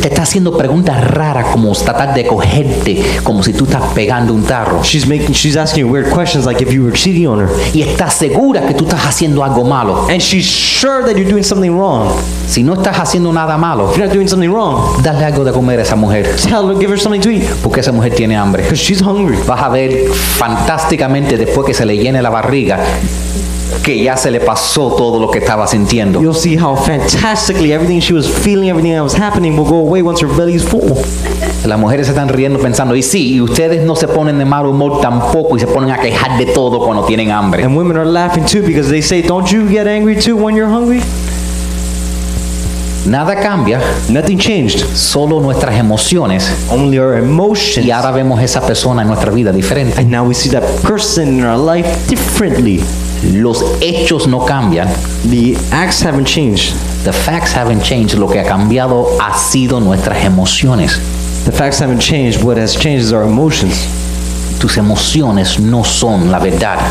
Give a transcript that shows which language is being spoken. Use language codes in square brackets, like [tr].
[es] Te está haciendo preguntas raras como tratar de cogerte como si tú estás pegando un tarro. [en] She's asking weird questions like if you were cheating on her. [es] Y está segura que tú estás haciendo algo malo. [en] And she's sure that you're doing something wrong. [es] Si no estás haciendo nada malo, [en] you're not doing something wrong. [es] Dale algo de comer a esa mujer. [en] Tell her, give her something to eat. [es] Porque esa mujer tiene hambre. [en] Because she's hungry. [es] Vas a ver fantásticamente después que se le llene la barriga que ya se le pasó todo lo que estaba sintiendo. [en] You'll see how fantastically everything she was feeling, everything that was happening will go away once her belly is full. [es] Las mujeres se están riendo pensando, y sí, y ustedes no se ponen de mal humor tampoco y se ponen a quejar de todo cuando tienen hambre. [en] And women are laughing too because they say, don't you get angry too when you're hungry? [es] Nada cambia. [en] Nothing changed. [es] Solo nuestras emociones. [en] Only our emotions. [es] Y ahora vemos esa persona en nuestra vida diferente. [en] And now we see that person in our life differently. [es] Los hechos no cambian. [en] The acts haven't changed. The facts haven't changed. [es] Lo que ha cambiado ha sido nuestras emociones. [en] The facts haven't changed. What has changed is our emotions. [es] Tus emociones no son la verdad.